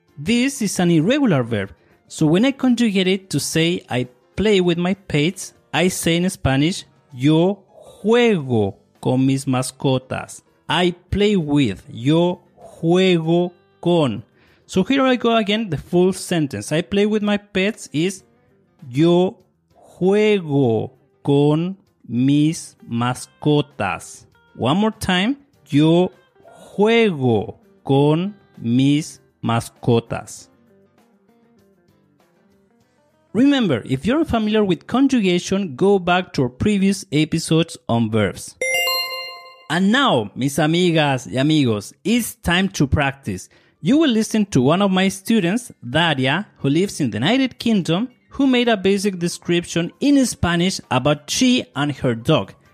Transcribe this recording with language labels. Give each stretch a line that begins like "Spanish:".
English: This is an irregular verb, so when I conjugate it to say I play with my pets, I say in Spanish,
Spanish: yo juego con mis mascotas.
English: I play with,
Spanish: yo juego con.
English: So here I go again, the full sentence. I play with my pets is
Spanish: yo juego con mis mascotas.
English: One more time.
Spanish: Yo juego con mis mascotas.
English: Remember, if you're familiar with conjugation, go back to our previous episodes on verbs. And now,
Spanish: mis amigas y amigos,
English: it's time to practice. You will listen to one of my students, Daria, who lives in the United Kingdom, who made a basic description in Spanish about she and her dog.